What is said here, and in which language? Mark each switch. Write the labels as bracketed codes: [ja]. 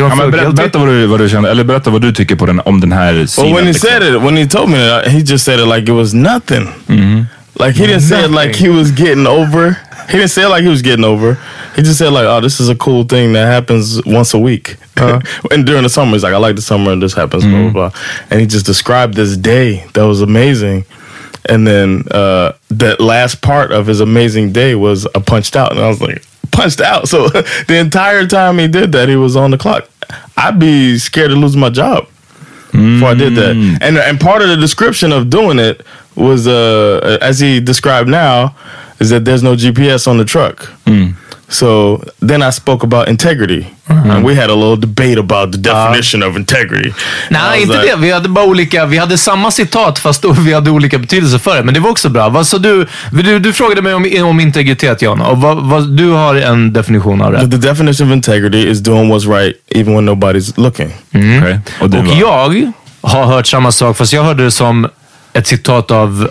[sv] berätta vad du tycker på den, om den här scenen. [en] Well, when he said it, when he told me that, he just said it like it was nothing. Like, he didn't say it like he was getting over. He didn't say it like he was getting over. He just said like, oh, this is a cool thing that happens once a week. And during the summer, he's like, I like the summer and this happens, blah, blah, blah. And he just described this day that was amazing. And then that last part of his amazing day was a punched out. And I was like, punched out? So the entire time he did that, he was on the clock. I'd be scared to lose my job before I did that. And part of the description of doing it was, as he described now, is that there's no GPS on the truck. So then I spoke about integrity. And we had a little debate about the definition of integrity. [sv] Nej, inte like, det. Vi hade bara olika. Vi hade samma citat fast vi hade olika betydelser för det. Men det var också bra. Vad sa du? Du frågade mig om integritet, Jan. Och vad du har en definition av det. [en] The definition of integrity is doing what's right even when nobody's looking. Okay. [sv] Och jag har hört samma sak, fast jag hörde det som ett citat av